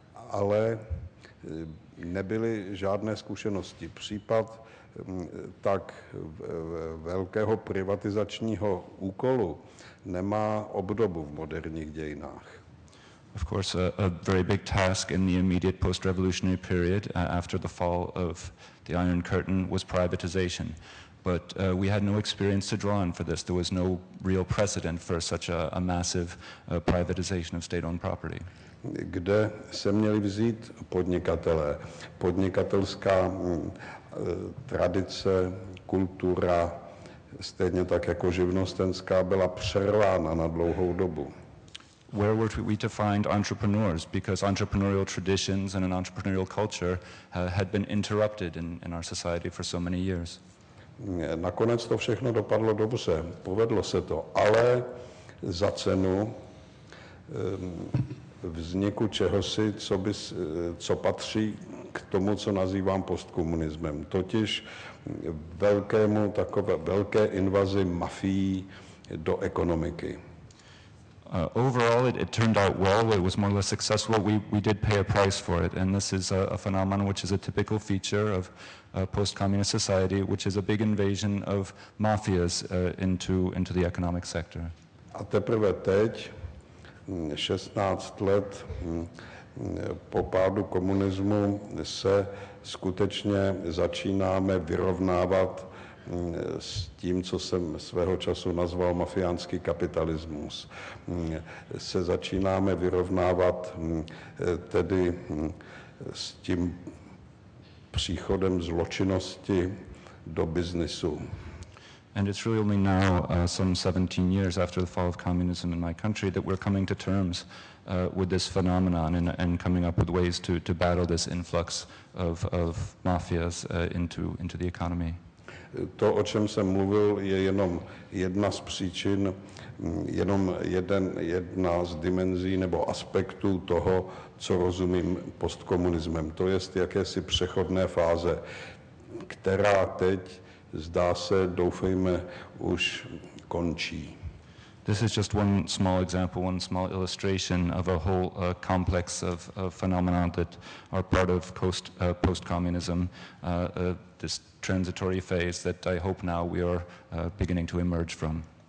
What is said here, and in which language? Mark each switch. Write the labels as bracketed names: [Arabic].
[Czech] Ale nebyly žádné zkušenosti. Případ tak velkého privatizačního úkolu nemá obdobu v moderních dějinách. [English] Of course, a very big task in the immediate post-revolutionary period after the fall of the Iron Curtain was privatization. but we had no experience to draw on for this. There was no real precedent for such a massive privatization of state-owned property. [Czech] Kde se měli vzít podnikatelé? Podnikatelská tradice, kultura, stejně tak jako živnostenská, byla přerována na dlouhou dobu. [English] Where were we to find entrepreneurs? Because entrepreneurial traditions and an entrepreneurial culture had been interrupted in our society for so many years. [Czech] Nakonec to všechno dopadlo dobře, povedlo se to, ale za cenu vzniku čehosi, co patří k tomu, co nazývám postkomunismem, totiž velkému takové velké invazi mafií do ekonomiky. [English] Overall, it turned out well. It was more or less successful. We did pay a price for it, and this is a phenomenon which is a typical feature of post-communist society, which is a big invasion of mafias into the economic sector. [Czech] A teprve teď, 16 let po pádu komunismu, se skutečně začínáme vyrovnávat s tím, co jsem svého času nazval mafiánský kapitalismus. Se začínáme vyrovnávat tedy s tím příchodem zločinnosti do biznisu. [English] And it's really only now, some 17 years after the fall of communism in my country, that we're coming to terms with this phenomenon and coming up with ways to battle this influx of mafias into the economy. [Czech] To, o čem jsem mluvil, je jenom jedna z příčin, jenom jedna z dimenzí nebo aspektů toho, co rozumím postkomunismem. To jest jakési přechodné fáze, která teď, zdá se, doufejme, už končí. [English] This is just one small example, one small illustration of a whole complex of phenomena that are part of post-communism, this transitory phase that I hope now we are beginning to emerge from.